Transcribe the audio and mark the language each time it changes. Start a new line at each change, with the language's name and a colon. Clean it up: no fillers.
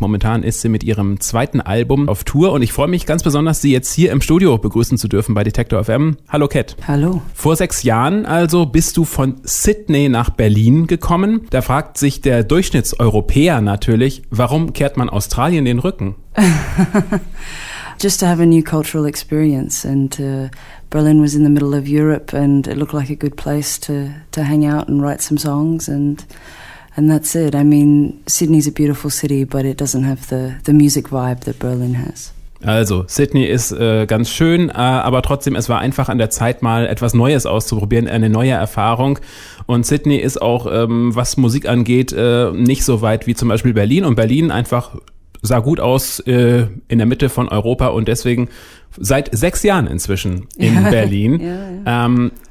German: Momentan ist sie mit ihrem zweiten Album auf Tour und ich freue mich ganz besonders, sie jetzt hier im Studio begrüßen zu dürfen bei Detektor FM. Hallo Cat. Hallo. Vor 6 Jahren also bist du von Sydney nach Berlin gekommen. Da fragt sich der Durchschnittseuropäer natürlich, warum kehrt man Australien den Rücken?
English: Just to have a new cultural experience, and Berlin was in the middle of Europe, and it looked like a good place to hang out and write some songs, and that's it. I mean, Sydney's a beautiful city, but it doesn't have the music vibe that Berlin has.
German: Also, Sydney ist ganz schön, aber trotzdem, es war einfach an der Zeit, mal etwas Neues auszuprobieren, eine neue Erfahrung. Und Sydney ist auch, was Musik angeht, nicht so weit wie zum Beispiel Berlin. Und Berlin einfach sah gut aus in der Mitte von Europa und deswegen seit 6 Jahren inzwischen in Berlin.